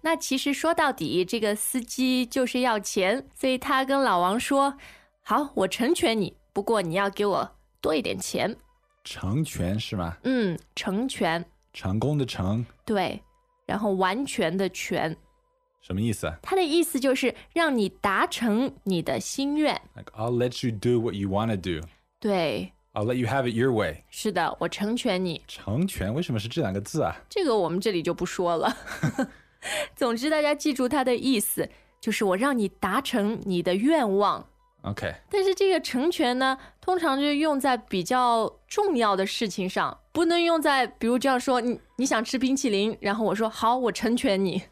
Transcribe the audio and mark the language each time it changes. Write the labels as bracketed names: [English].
[Chinese] 那其实说到底这个司机就是要钱，所以他跟老王说，好，我成全你，不过你要给我多一点钱。成全是吗？嗯，成全，成功的成。对，然后完全的全。什么意思？他的意思就是让你达成你的心愿。 [English] Like I'll let you do what you want to do. [Chinese] 对， [English] I'll let you have it your way. [Chinese] 是的，我成全你。成全为什么是这两个字啊？这个我们这里就不说了。总之大家记住他的意思，就是我让你达成你的愿望。 OK，但是这个成全呢通常就用在比较重要的事情上，不能用在比如这样说 你想吃冰淇淋，然后我说好我成全你